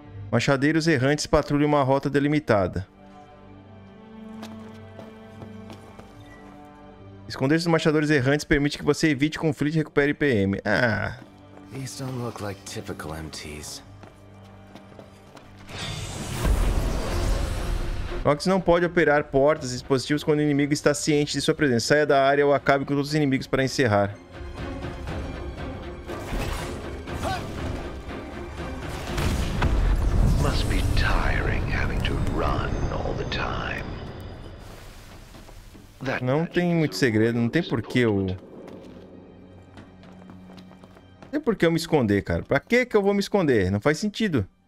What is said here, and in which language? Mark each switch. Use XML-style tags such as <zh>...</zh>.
<pt>Machadeiros errantes patrulham uma rota delimitada. Esconder esses machadores errantes permite que você evite conflito e recupere PM. Ah.</pt> <en>These don't look like typical MTs.</en> <pt>Nox não pode operar portas e dispositivos quando o inimigo está ciente de sua presença. Saia da área ou acabe com todos os inimigos para encerrar.</pt> <en>Must be tiring having to run all the time.</en> <pt>Não tem muito segredo, não tem por que eu... Não tem por que eu me esconder, cara. Pra que que eu vou me esconder? Não faz sentido.</pt>